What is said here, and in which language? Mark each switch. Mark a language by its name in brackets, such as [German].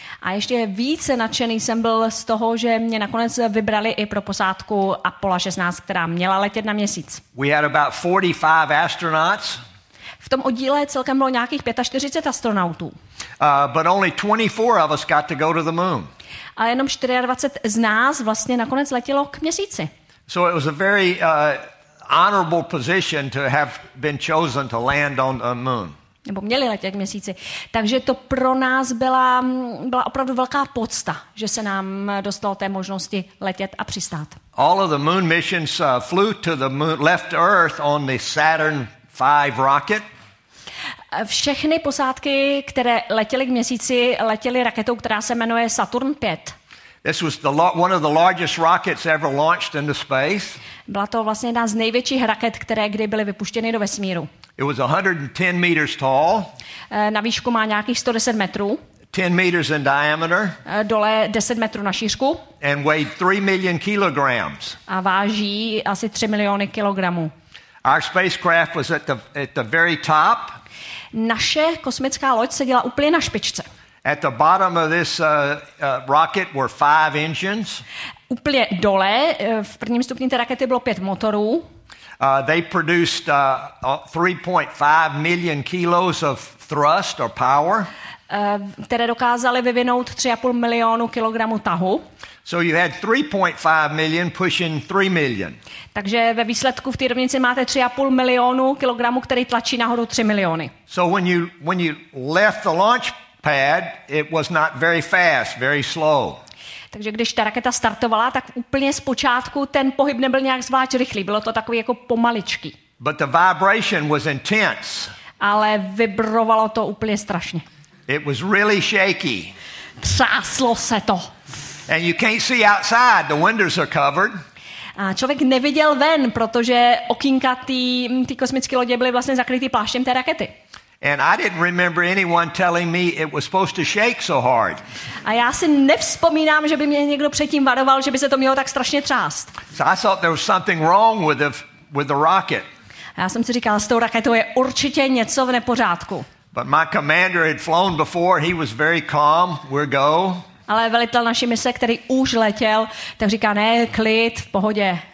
[Czech] A ještě více nadšený jsem byl z toho, že mě nakonec vybrali i pro posádku Apollo 16, která měla letět na měsíc. [English] We had about 45 astronauts. [Czech] V tom oddíle celkem bylo nějakých 45 astronautů. [English] But only 24 of us got to go to the moon. [Czech] A jenom 24 z nás vlastně nakonec letělo k měsíci. [English] So it was a very honorable position to have been chosen to land on the moon. [Czech] Nebo měli letět k měsíci. Takže to pro nás byla opravdu velká pocta, že se nám dostalo té možnosti letět a přistát. [English] All of the moon missions flew to the moon, left Earth on the Saturn V rocket. [Czech] Všechny posádky, které letěly k měsíci, letěly raketou, která se jmenuje Saturn V. [English] This was one of the largest rockets ever launched into space. [Czech] Byla to vlastně jedna z největších raket, které kdy byly vypuštěny do vesmíru. [English] It was 110 meters tall. [Czech] Na výšku má nějakých 110 metrů. [English] 10 meters in diameter. [Czech] Dole 10 metrů na šířku. [English] And weighed 3 million kilograms. [Czech] A váží asi 3 miliony kilogramů. [English] Our spacecraft was at the very top. [Czech] Naše kosmická loď seděla úplně na špičce. [English] At the bottom of this rocket were 5 engines. [Czech] Úplně dole v prvním stupni té rakety bylo 5 motorů. [English] They produced 3.5 million kilos of thrust or power. [Czech] které dokázaly vyvinout 3,5 milionu kilogramů tahu. [English] So you had 3.5 million pushing 3 million. [Czech] Takže ve výsledku v té rovnici máte 3,5 milionu kilogramů, který tlačí nahoru 3 miliony. [English] So when you left the launch pad, it was not very fast, very slow. [Czech] Takže když ta raketa startovala, tak úplně zpočátku ten pohyb nebyl nějak zvlášť rychlý, bylo to takový jako pomaličký. [English] But the vibration was intense. [Czech] Ale vibrovalo to úplně strašně. [English] It was really shaky. [Czech] Třáslo se to. [English] And you can't see outside, the windows are covered. [Czech] A člověk neviděl ven, protože okýnka té kosmické lodě byly vlastně zakrytý pláštěm té rakety. [English] And I didn't remember anyone telling me it was supposed to shake so hard. [Czech] A já si nevzpomínám, že by mě někdo předtím varoval, že by se to mělo tak strašně třást. [English] So I thought there was something wrong with the rocket. [Czech] A já jsem si říkal, s tou raketou je určitě něco v nepořádku. [English] But my commander had flown before, he was very calm, we're go. [Czech] Ale velitel naší mise, který už letěl, tak říká, ne, klid, v pohodě.